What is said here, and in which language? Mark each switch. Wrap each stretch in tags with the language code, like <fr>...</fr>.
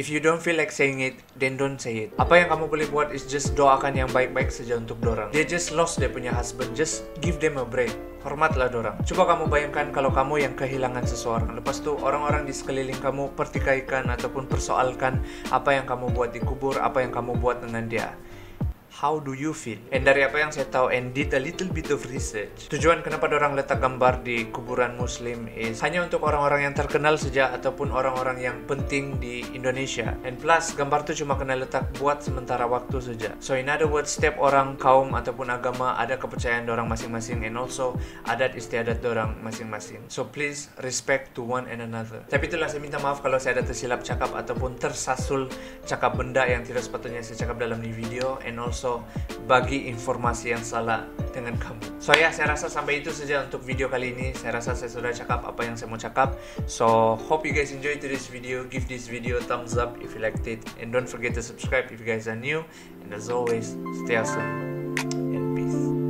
<en>If you don't feel like saying it, then don't say it.</en> <ms>Apa yang kamu boleh buat</ms> <en>is just</en> <ms>doakan yang baik-baik saja untuk dorang.</ms> <en>They just lost</en> <ms>dia punya</ms> <en>husband, just give them a break.</en> <ms>Hormatlah dorang. Coba kamu bayangkan kalau kamu yang kehilangan seseorang. Lepas tu orang-orang di sekeliling kamu pertikaikan ataupun persoalkan apa yang kamu buat di kubur, apa yang kamu buat dengan dia.</ms> <en>How do you feel? And</en> <ms>dari apa yang saya tahu</ms> <en>and did a little bit of research,</en> <ms>tujuan kenapa dorang letak gambar di kuburan Muslim</ms> <en>is</en> <ms>hanya untuk orang-orang yang terkenal saja ataupun orang-orang yang penting di Indonesia.</ms> <en>And plus,</en> <ms>gambar tu cuma kena letak buat sementara waktu saja.</ms> <en>So in other words,</en> <ms>setiap orang, kaum ataupun agama ada kepercayaan dorang masing-masing</ms> <en>and also</en> <ms>adat istiadat dorang masing-masing.</ms> <en>So please respect to one and another.</en> <ms>Tapi itulah, saya minta maaf kalau saya ada tersilap cakap ataupun tersasul cakap benda yang tidak sepatutnya saya cakap dalam ni video</ms> <en>and also</en> <ms>bagi informasi yang salah dengan kamu.</ms> <en>So yeah,</en> <ms>saya rasa sampai itu saja untuk video kali ini. Saya rasa saya sudah cakap apa yang saya mau cakap.</ms> <en>So hope you guys enjoy this video. Give this video a thumbs up if you liked it. And don't forget to subscribe if you guys are new. And as always, stay awesome and peace.</en>